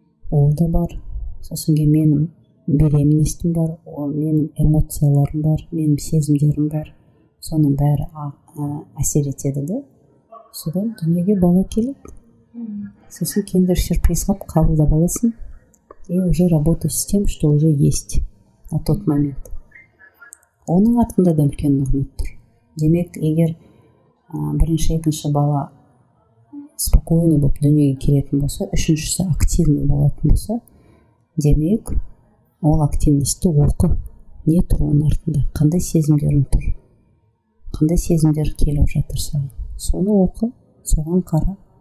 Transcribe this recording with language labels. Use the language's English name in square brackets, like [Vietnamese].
[Kazakh] Ол да бар. Сосын ке менің беременностім бар, ол менің эмоцияларым бар, менің сезімдерім бар, соның бәрі әсер етеді де. Содан дүниеге бала келіп, сосын киндер сюрприз қап қабылдап аласың, [Russian] и уже работа с тем, что уже есть на тот момент. [Kazakh] Оның артында да үлкен нұрмет тұр. Демек, егер бірінші-екінші бала спокойны болып дүниеге келетін болса, үшіншісі активный болатын болса, демек, ол активности оқы, не тұр оның артында, қандай сезімдерің тұр, қандай сезімдер келіп жатырса, соны оқы, соған қара.